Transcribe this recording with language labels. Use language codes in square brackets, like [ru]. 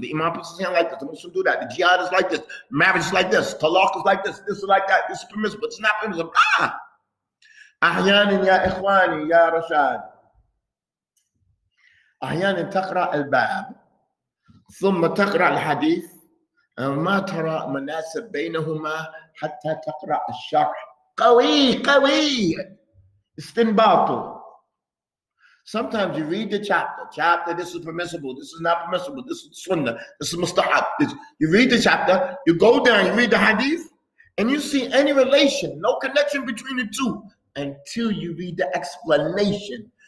[en] The imam puts his hand like this. The Muslim do that. The jihad is like this. Marriage is like this. Talaq is like this. This is like that. This is permissible. It's not permissible. Ah! [ar] أحيانا يا إخواني يا رشاد أحيانا تقرأ الباب ثم تقرأ الحديث ما ترى مناسب بينهما حتى تقرأ الشرح قوي استنباطه. [en] Sometimes you read the chapter, this is permissible, this is not permissible, this is sunnah, this is mustahab. You read the chapter, you go down, you read the hadith, and you see any relation, no connection between the two until you read the explanation.